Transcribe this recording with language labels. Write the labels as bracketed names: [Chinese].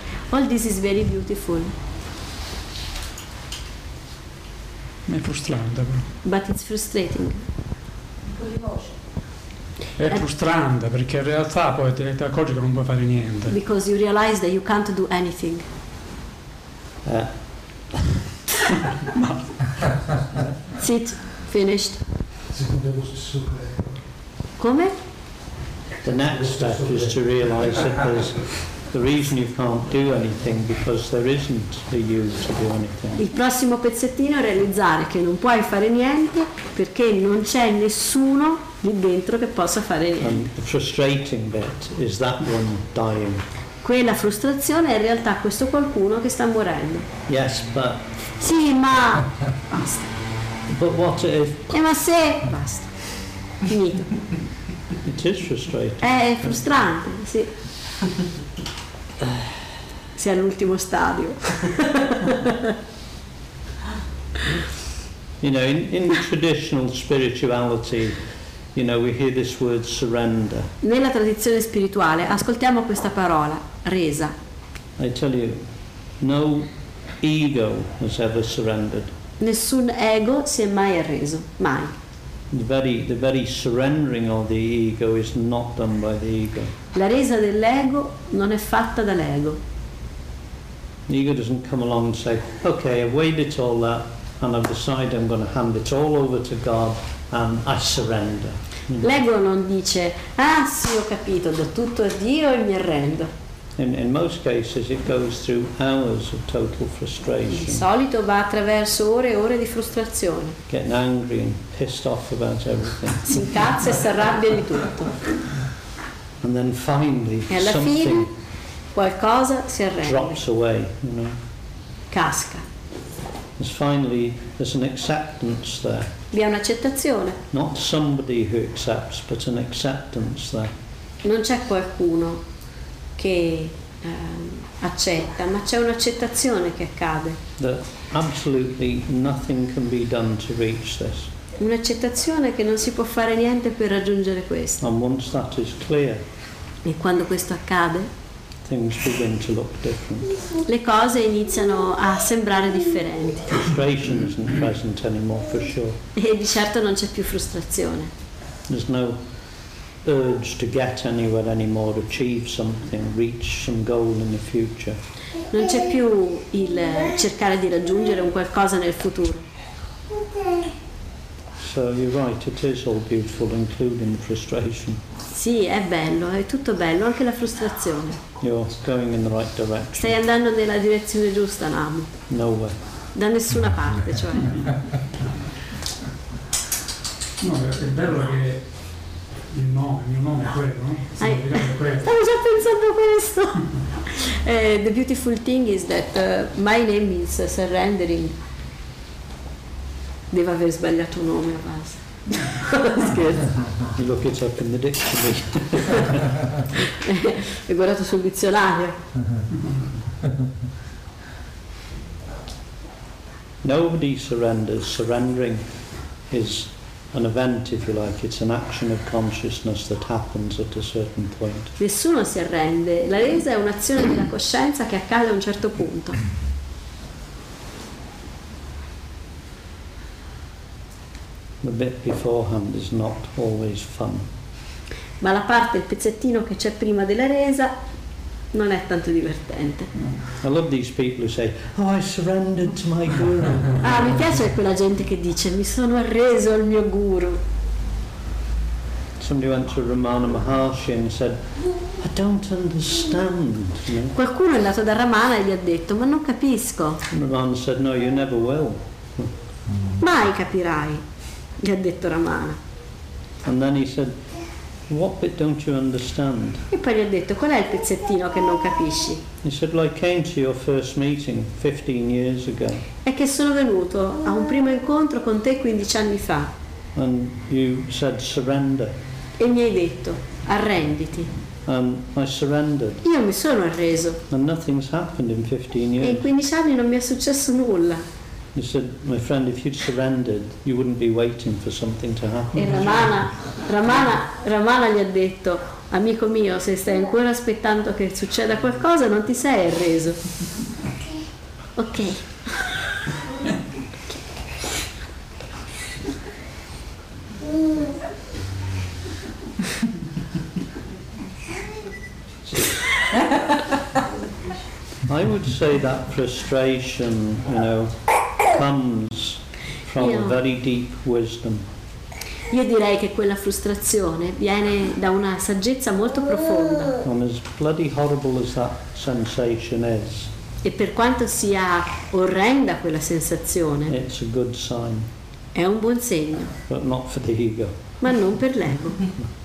[English] All this is very beautiful. [Italian] Ma è frustrante però. [English] But it's frustrating. [Italian] È frustrante perché in realtà poi ti accorgi che non puoi fare niente. [English] Because you realize that you can't do anything. Sit, finished. [Italian] Come? [English] The next step is to realize that there's the reason you can't do anything because there isn't a you to do anything. [Italian] Il prossimo pezzettino è realizzare che non puoi fare niente perché non c'è nessuno lì dentro che possa fare niente. [English] And the frustrating bit is that one dying. [Italian] Quella frustrazione è in realtà questo qualcuno che sta morendo. [English] Yes, but [Italian] sì, ma basta. [English] But what if [Italian] e ma se basta. Finito. [English] It is frustrating. [Italian] È frustrante, sì. Sei all'ultimo stadio. [English] You know, in traditional spirituality, you know, we hear this word surrender. [Italian] Nella tradizione spirituale ascoltiamo questa parola, resa. [English] I tell you, no ego has ever surrendered. [Italian] Nessun ego si è mai arreso, mai. [English] The very surrendering of the ego is not done by the ego. [Italian] La resa dell'ego non è fatta dall'ego. [English] The ego doesn't come along and say, okay, I've weighed it all up and I've decided I'm going to hand it all over to God and I surrender. [Italian] L'ego non dice, ah sì, ho capito, do tutto a Dio e mi arrendo. [English] In most cases it goes through hours of total frustration. [Italian] Di solito va attraverso ore e ore di frustrazione. [English] Getting angry and pissed off about everything. [Italian] Si incazza e si arrabbia di tutto. [English] And then finally, [Italian] e alla [English] something [Italian] fine qualcosa si arrende. [English] Drops away, you know. [Italian] Casca. [English] There's finally there's an acceptance there. [Italian] Vi è un'accettazione. [English] Not somebody who accepts, but an acceptance there. [Italian] Non c'è qualcuno che accetta, ma c'è un'accettazione che accade. [English] That absolutely nothing can be done to reach this. [Italian] Un'accettazione che non si può fare niente per raggiungere questo. [English] And once that is clear, [Italian] e quando questo accade, [English] things begin to look different. [Italian] Le cose iniziano a sembrare differenti. [English] Frustration isn't present anymore, for sure. [Italian] E di certo non c'è più frustrazione. [English] There's no urge to get anywhere anymore, achieve something, reach some goal in the future. [Italian] Non c'è più il cercare di raggiungere un qualcosa nel futuro. [English] So you're right, it is all beautiful, including the frustration. [Italian] Sì, è bello, è tutto bello, anche la frustrazione. [English] You're going in the right direction. [Italian] Stai andando nella direzione giusta, Namo. [English] Nowhere. [Italian] Da nessuna parte, cioè. No, è bello che il mio nome è quello, no? Stavo già pensando questo. [English] The beautiful thing is that my name is surrendering. [Italian] Devo aver sbagliato un nome a base. Scherzo. [English] You look it up in the dictionary. [Italian] Ho guardato sul dizionario. [English] Nobody surrenders. Surrendering is an event, if you like. It's an action of consciousness that happens at a certain point. [Italian] Nessuno si arrende. La resa è un'azione della coscienza che accade a un certo punto. [English] The bit beforehand is not always fun. [Italian] Ma la parte, il pezzettino che c'è prima della resa, non è tanto divertente. [English] I love these people who say, oh, I surrendered to my guru. [Italian] Ah, mi piace quella gente che dice, mi sono arreso al mio guru. [English] Somebody went to Ramana Maharshi and said, I don't understand. [Italian] Qualcuno è andato da Ramana e gli ha detto, ma non capisco. [English] And Ramana said, no, you never will. [Italian] Mai capirai, gli ha detto Ramana. [English] And then he said, what bit don't you understand? [Italian] E poi gli ha detto, qual è il pezzettino che non capisci? [English] He said, well, I came to your first meeting 15 years ago. [Italian] È che sono venuto a un primo incontro con te 15 anni fa. [English] And you said, surrender. [Italian] E mi hai detto, arrenditi. [English] I surrendered. [Italian] Io mi sono arreso. [English] And nothing's happened in 15 years. [Italian] E in 15 anni non mi è successo nulla. [English] He said, my friend, if you'd surrendered, you wouldn't be waiting for something to happen. [Italian] E Ramana gli ha detto, amico mio, se stai ancora aspettando che succeda qualcosa, non ti sei arreso. Ok. [English] I would say that frustration, you know, comes from a very deep wisdom. [Italian] Io direi che quella frustrazione viene da una saggezza molto profonda. [English] And as bloody horrible as that sensation is, [Italian] e per quanto sia orrenda quella sensazione, [English] it's a good sign. [Italian] È un buon segno. [English] But not for the ego. [Italian] Ma non per l'ego. Mm-hmm.